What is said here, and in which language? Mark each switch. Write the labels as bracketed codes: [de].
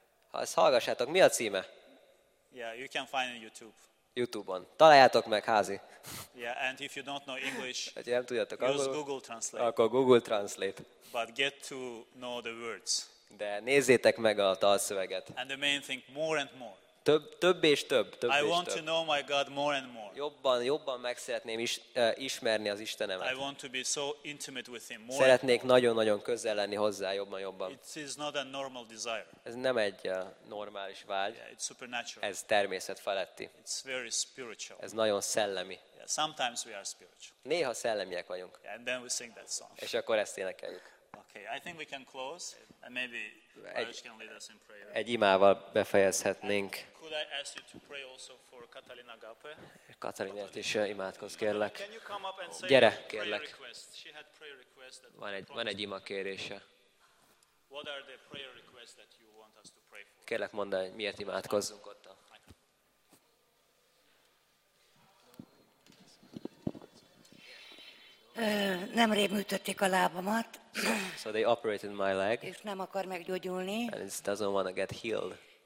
[hu] Ha ezt hallgassátok, mi a címe? [en] Yeah, you can find it on YouTube. [hu] YouTube-on. Találjátok meg, házi. [en] Yeah, and if you don't know English, [hu] hát, nem tudjátok, [en] use Google Translate. [hu] Akkor Google Translate. [en] But get to know the words. [hu] De nézzétek meg a dalszöveget. [en] And the main thing, more and more. [hu] Több és több. [en] I want to know my God more and more. [hu] Jobban meg szeretném ismerni az Istenemet. [en] I want to be so intimate with him more. [hu] Szeretnék nagyon-nagyon közel lenni hozzá, jobban. [en] It is not a normal desire. [hu] Ez nem egy normális vágy. [en] Yeah, it's supernatural. [hu] Ez természet feletti. [en] It's very spiritual. [hu] Ez nagyon szellemi. [en] Yeah, sometimes we are spiritual. [hu] Néha szellemiek vagyunk. [en] Yeah, and then we sing that song. [hu] És akkor ezt énekeljük. [en] Okay, I think we can close and maybe Arash can lead us in prayer. [hu] Egy imával befejezhetnénk. [en] Could I ask you to pray also for Katalin Agape? [hu] Katalinért is imádkozz, kérlek. [en] Can you come up and say [hu] gyere, kérlek. [en] She had prayer request that [hu] van egy ima kérése. [en] What are the prayer requests that you want us to pray for? [hu] Kérlek, mondd el, miért imádkozzunk ott. Nemrég műtötték a lábamat. [en] So they operated my leg. [hu] És nem akar meggyógyulni. [en] And it doesn't want to get healed.